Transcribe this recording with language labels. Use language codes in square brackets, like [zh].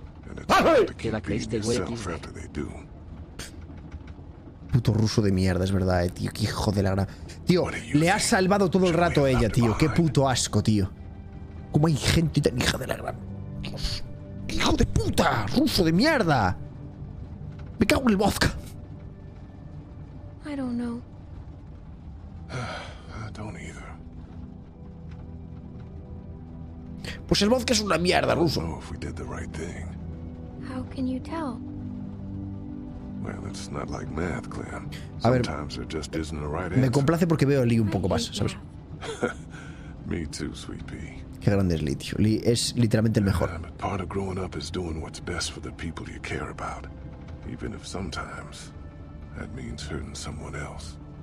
[en] And it's hard to keep beating yourself after they do. [es] Puto ruso de mierda, es verdad, tío. Qué hijo de la gran... Tío, le ha salvado todo el rato a ella, tío. Qué puto asco, tío. Cómo hay gente tan hija de la gran... Dios. ¡Hijo de puta! ¡Ruso de mierda! ¡Me cago en el vodka! [en] I don't know. I don't either. [es] Pues el vodka es una mierda, ruso. [en] How can you tell? Well, it's not like math, Clem. Sometimes there just isn't a right answer. [es] Me complace porque veo a Lee un poco más, ¿sabes? [en] Me too, sweet pea. [es] Qué grande es Lee, tío. Lee es literalmente el mejor. [en] Part of growing up is doing what's best for the people you care about, even if sometimes that means hurting someone else.